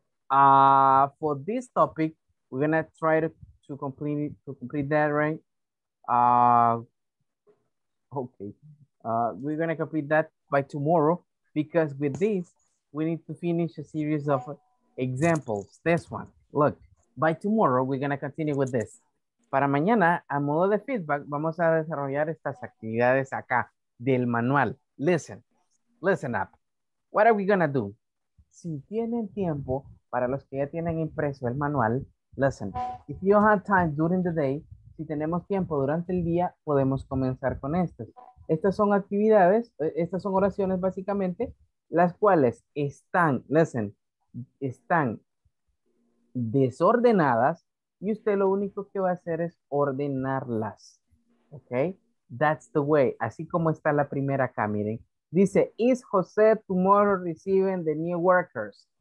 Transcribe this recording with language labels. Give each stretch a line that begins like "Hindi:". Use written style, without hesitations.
English: For this topic, we're gonna try to complete that, right? We're gonna complete that by tomorrow because with this, we need to finish a series of examples. This one, look, by tomorrow, we're gonna continue with this.
Spanish: Para mañana, a modo de feedback, vamos a desarrollar estas actividades acá del manual.
English: Listen up. What are we gonna do?
Spanish: Si tienen tiempo, para los que ya tienen impreso el manual,
English: listen. If you have time during the day,
Spanish: si tenemos tiempo durante el día, podemos comenzar con estas. Estas son actividades, estas son oraciones básicamente, las cuales están,
English: listen,
Spanish: están desordenadas, y usted lo único que va a hacer es ordenarlas, ¿ok?
English: That's the way,
Spanish: así como está la primera acá, miren. Dice,
English: is José tomorrow receiving the new workers?